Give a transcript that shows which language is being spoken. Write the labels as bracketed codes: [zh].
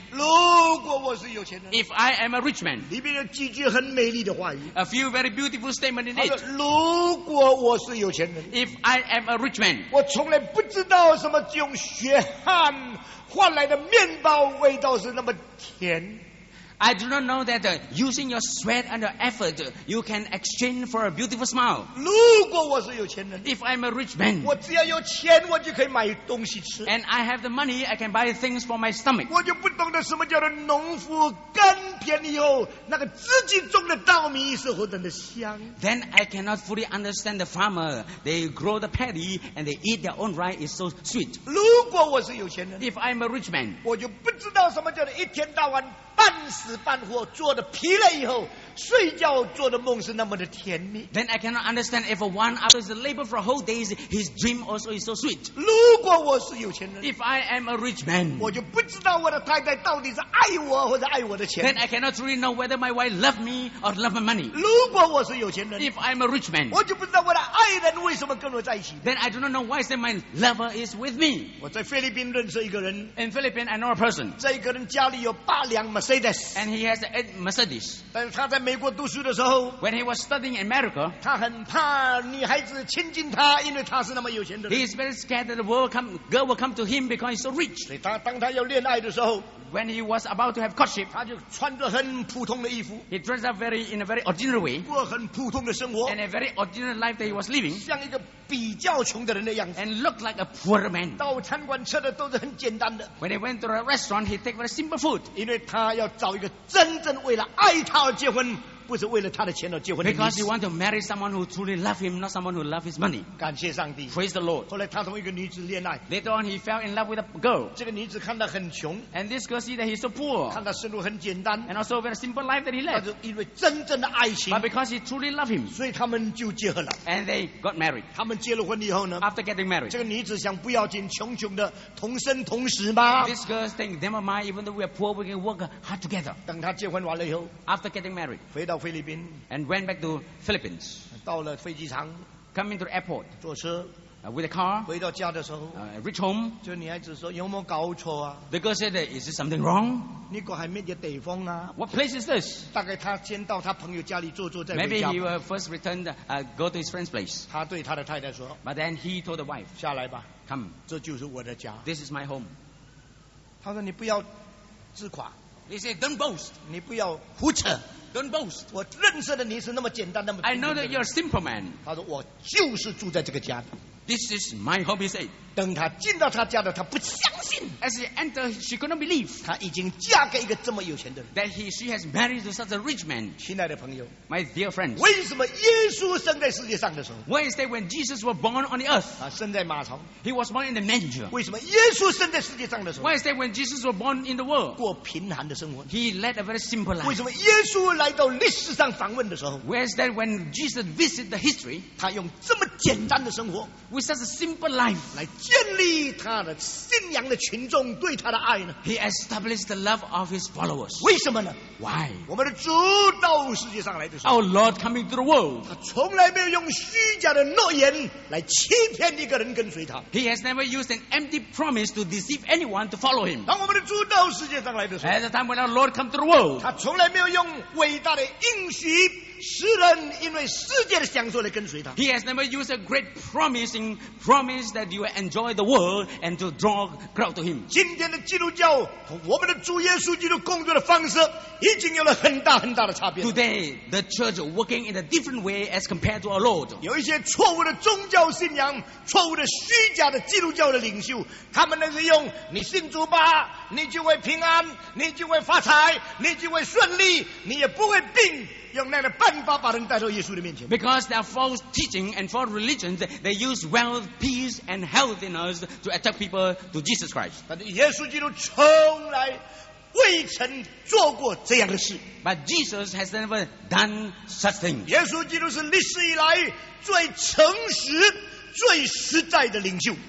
[zh] 如果我是有钱人。 [en] If I am a rich man. [zh] 里面有几句很美丽的话语。 [en] A few very beautiful statements in it. [zh] 如果我是有钱人。 [en] If I am a rich man. [zh] 我从来不知道什么用血汗换来的面包味道是那么甜。 [en] I do not know that using your sweat and your effort, you can exchange for a beautiful smile. [zh] 如果我是有钱人 [en] If I'm a rich man, [zh] 我只要有钱，我就可以买东西吃 [en] And I have the money, I can buy things for my stomach. [zh] 我就不懂得什么叫做农夫耕田以后，那个自己种的稻米是何等的香 [en] Then I cannot fully understand the farmer. They grow the paddy and they eat their own rye is so sweet. [zh] 如果我是有钱人 [en] If I'm a rich man, [zh] 我就不知道什么叫做一天到晚半死半活做的疲累以后睡觉做的梦是那么的甜蜜 [en] Then I cannot understand if one after the labor for a whole day his dream also is so sweet [zh] 如果我是有钱人 [en] If I am a rich man [zh] 我就不知道我的太太到底是爱我或者爱我的钱 [en] Then I cannot really know whether my wife love me or love my money [zh] 如果我是有钱人 [en] If I am a rich man [zh] 我就不知道我的爱人为什么跟我在一起 [en] Then I do not know why my lover is with me [zh] 我在菲律宾认识一个人 [en] In Philippines I know a person [zh] 这一个人家里有八辆 Mercedes [en] And he has 8 Mercedes [zh] 但是他在美国读书的时候 [en] When he was studying in America [zh] 他很怕女孩子亲近他因为他是那么有钱的人 [en] He is very scared that the world will come, girl will come to him because he's so rich [zh] 所以他当他要恋爱的时候 [en] When he was about to have courtship [zh] 他就穿着很普通的衣服 [en] He dressed up in a very ordinary way [zh] 过很普通的生活 [en] And a very ordinary life that he was living [zh] 像一个比较穷的人的样子 [en] And looked like a poor man [zh] 到餐馆吃的都是很简单的 [en] When he went to a restaurant he take very simple food [zh] 因为他要找一个真正为了爱他而结婚不是为了他的钱而结婚的 [en] Because he want to marry someone who truly love him not someone who love his money [zh] 感谢上帝 [en] Praise the Lord [zh] 后来他同一个女子恋爱 [en] Later on he fell in love with a girl [zh] 这个女子看他很穷 [en] And this girl see that he's so poor [zh] 看他生活很简单 [en] And also a very simple life that he led [zh] 他就因为真正的爱情 [en] But because he truly love him [zh] 所以他们就结合了 [en] And they got married [zh] 他们结了婚以后呢 [en] After getting married [zh] 这个女子想不要紧穷穷的同生同死吗 [en] This girl think them and mine even though we are poor we can work hard together [zh] 等他结婚完了以后 [en] After getting married [zh] 回到菲律宾 [en] and went back to Philippines [zh] 到了飞机场 [en] coming to the airport [zh] 坐车 [en] with a car [zh] 回到家的时候 [en] reach home [zh] 就女孩子说有没有搞错啊 [en] the girl said is there something wrong [zh] 你过还没有地方啊 [en] what place is this [zh] 大概他先到他朋友家里坐坐再回家 [en] maybe he will first return go to his friend's place [zh] 他对他的太太说 [en] but then he told the wife [zh] 下来吧 [en] come [zh] 这就是我的家 [en] this is my home [zh] 他说你不要自夸 [en] he said don't boast [zh] 你不要胡扯 [en] Don't boast. [zh] 我认识的你是那么简单，那么。 [en] I know that you're a simple man. [zh] 他说我就是住在这个家。 [en] This is my home, he said. [zh] 等他进到他家的，他不相信。 [en] As he entered, she could not believe. [zh] 他已经嫁给一个这么有钱的人。 [en] That she has married to such a rich man. [zh] 亲爱的朋友 [en] ，My dear friends. [zh] 为什么耶稣生在世界上的时候 [en] ？Why is that when Jesus was born on the earth? [zh] 啊，生在马槽。 [en] He was born in the manger. [zh] 为什么耶稣生在世界上的时候 [en] ？Why is that when Jesus was born in the world? [zh] 过贫寒的生活。 [en] He led a very simple life. [zh] 为什么耶稣来到历史上访问的时候 [en] ？Why is that when Jesus visited the history? [zh] 他用这么简单的生活。 [en] Such a simple life [zh] 来建立他的信仰的群众对他的爱呢？ [en] He established the love of his followers. [zh] 为什么呢？ [en] Why? [zh] 我们的主到世界上来的时候， [en] Our Lord coming to the world. [zh] 他从来没有用虚假的诺言来欺骗一个人跟随他。 [en] He has never used an empty promise to deceive anyone to follow him. [zh] 当我们的主到世界上来的时候， [en] At the time when our Lord come to the world. [zh] 他从来没有用伟大的应许世人因为世界的享受来跟随他。 [en] He has never used a great promising promise that you will enjoy the world and to draw crowd to him. [zh] 今天的基督教和我们的主耶稣基督工作的方式已经有了很大很大的差别。 [en] Today, the church working in a different way as compared to our Lord. [zh] 有一些错误的宗教信仰，错误的虚假的基督教的领袖，他们那是用你信主吧，你就会平安，你就会发财，你就会顺利，你也不会病。用那个办法把人带到耶稣的面前。 [en] Because there are false teaching and false religions, they use wealth, peace, and healthiness to attack people to Jesus Christ. [zh] 但耶稣基督从来未曾做过这样的事。 [en] But Jesus has never done such thing. [zh] 耶稣基督是历史以来最诚实、最实在的领袖。